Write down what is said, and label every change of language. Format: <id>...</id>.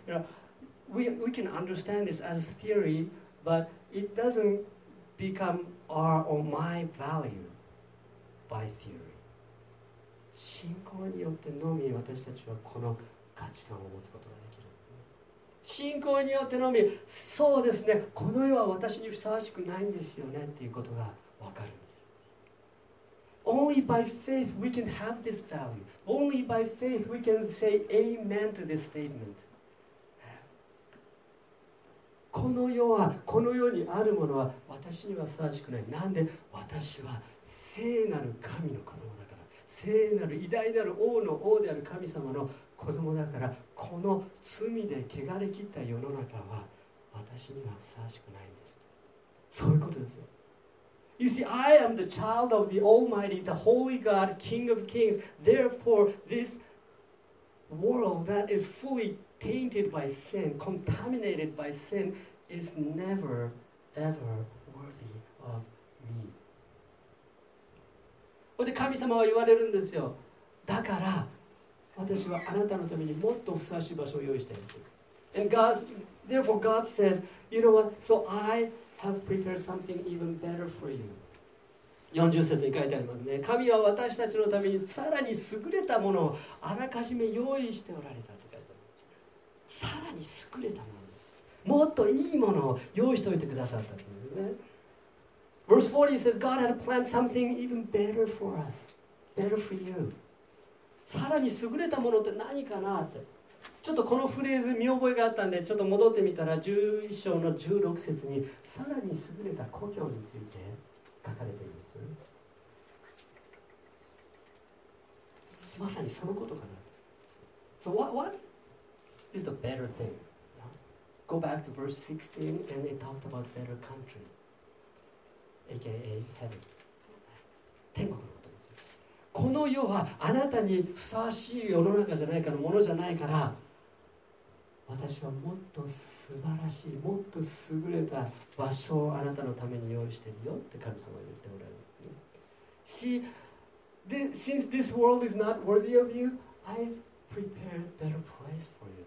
<en>You know, we can understand this as a theory, but it doesn't become our or my value by theory.</en> <ja>信仰によってのみ私たちはこの価値観を持つことができる。信仰によってのみ、そうですね、この世は私にふさわしくないんですよねっていうことがわかるんです。</ja> <en>Only by faith we can have this value. Only by faith we can say amen to this statement.</en> <ja>この世は、この世にあるものは私にはふさわしくない。なんで私は聖なる神の子供だから。聖なる偉大なる王の王である神様の子供だから、この罪で汚れ切った世の中は私にはふさわしくないんです。そういうことですよ。</ja> <en>You see, I am the child of the Almighty, the Holy God, King of Kings. Therefore, this world that is fully tainted by sin, contaminated by sin, is never, ever worthy of me.</en> <ja>で、神様は言われるんですよ。だから、私はあなたのためにもっとふさわしい場所を用意している。</ja> <en>And God, therefore God says, you know what, so I... have prepared something even better for you.</en> <ja>40節に書いてありますね。神は私たちのためにさらに優れたものをあらかじめ用意しておられたと書いてあります。さらに優れたものです。もっといいものを用意しておいてくださったというね。</ja> <en>Verse 40 says, God had planned something even better for us, better for you.</en> <ja>さらに優れたものって何かなって。ちょっとこのフレーズ見覚えがあったんでちょっと戻ってみたら11章の16節にさらに優れた故郷について書かれています。まさにそのことかな。</ja> <en>So what is the better thing? Go back to verse 16 and it talked about better country aka heaven.</en> <ja>天国のことですよ。この世はあなたにふさわしい世の中じゃないからものじゃないから私はもっと素晴らしい、もっと優れた場所をあなたのために用意しているよって神様は言っておられますね。</ja> <en>See, this, since this world is not worthy of you, I've prepared a better place for you.</en>